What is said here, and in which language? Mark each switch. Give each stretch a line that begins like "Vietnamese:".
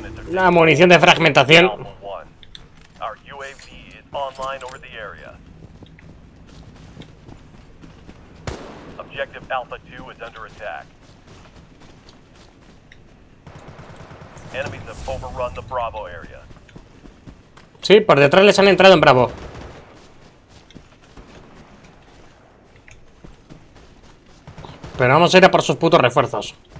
Spanish: La munición de fragmentación.
English: Our UAV is online over the area. Objective Alpha 2 is under attack. Enemies have overrun the Bravo area.
Spanish: Sí, por detrás les han entrado en Bravo. Pero vamos a ir a por sus putos refuerzos.